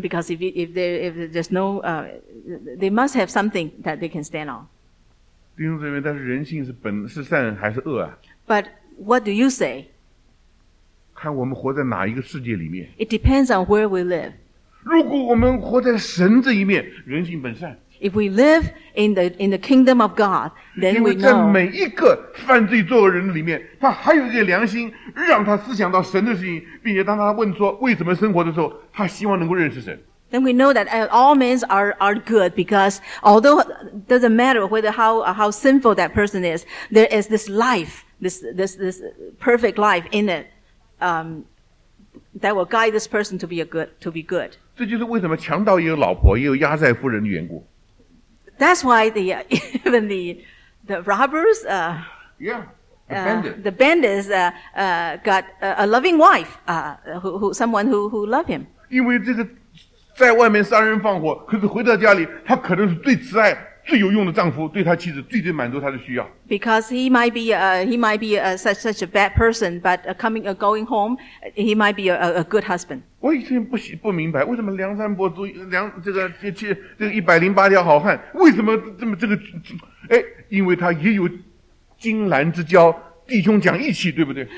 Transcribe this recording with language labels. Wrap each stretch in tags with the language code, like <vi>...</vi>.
<en>？Because if there's no, they must have something that they can stand on.</en> <zh>弟兄姊妹，但是人性是本是善还是恶啊</zh> <en>？But what do you say?</en> <zh>看我们活在哪一个世界里面</zh> <en>？It depends on where we live.</en> <zh>如果我们活在神这一面，人性本善。</zh> <en>If we live in the kingdom of God, then we know.</en> <zh>因为在每一个犯罪作恶人里面，他还有一个良心，让他思想到神的事情，并且当他问说为什么生活的时候，他希望能够认识神。</zh> <en>Then we know that all men are good because although it doesn't matter whether how sinful that person is, there is this life, this perfect life in it, that will guide this person to be good.</en> <zh>这就是为什么强盗也有老婆，也有压寨夫人的缘故。</zh> <en>That's why the robbers, the bandits got a loving wife, someone who loved him.</en> <zh>因为这个在外面杀人放火，可是回到家里，他可能是最慈爱、最有用的丈夫，对他妻子最满足他的需要。</zh> <en>Because he might be such a bad person, but going home, he might be a good husband.</en> <zh>我以前不明白，为什么梁山伯祝这个108条好汉，为什么这么这个？哎，因为他也有金兰之交，弟兄讲义气，对不对</zh>